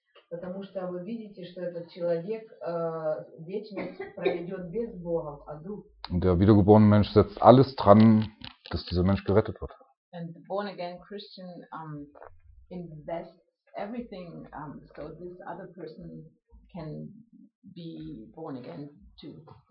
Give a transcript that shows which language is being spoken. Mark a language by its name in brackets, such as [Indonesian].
[Russian] Потому что вы видите, что этот человек вечность проведет без Бога, а дух. [German] Der wiedergeborene Mensch setzt alles dran, dass dieser Mensch gerettet wird. [English] And the born again Christian invests everything so this other person can be born again too.